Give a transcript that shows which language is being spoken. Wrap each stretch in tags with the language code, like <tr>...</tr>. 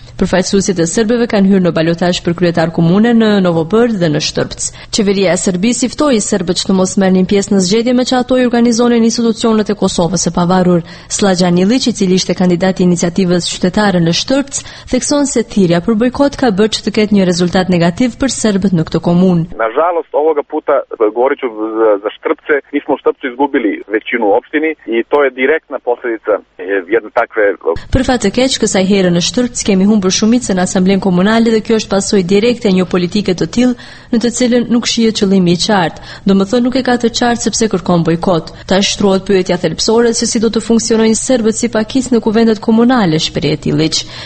<sq>Përfaqësuesit e serbëve kanë hyrë në balotazh për kryetar komune në Novobërd dhe në Shtërpc. Qeveria e Serbisë ftoi serbët të mos merrnin pjesë në zgjedhje me që ato i organizonin institucionet e Kosovës së Pavarur. Slađan Iliç, i cili ishte kandidati i iniciativës qytetare në Shtërpc, thekson se thirrja për bojkot ka bërë që të ketë një rezultat negativ për serbët në këtë komunë.</sq> <sr>Na žalost ovoga puta Goriću za Shtërpce, mi smo Shtërpcu izgubili većinu u opštini i to je direktna posledica jedne takve.</sr> <sq>Për fat të keq, kësaj here në Shtërpc kemi humbur për shumicën asamblenë komunale dhe kjo është pasojë direkte e një politike të tillë në të cilën nuk shihet qëllimi i qartë, domethënë nuk e ka të qartë sepse kërkon bojkot. Tash shtrohet pyetja thelbësore se si do të funksionojnë serbët si pakisë në kuvendet komunale, shprehet Iliç.</sq>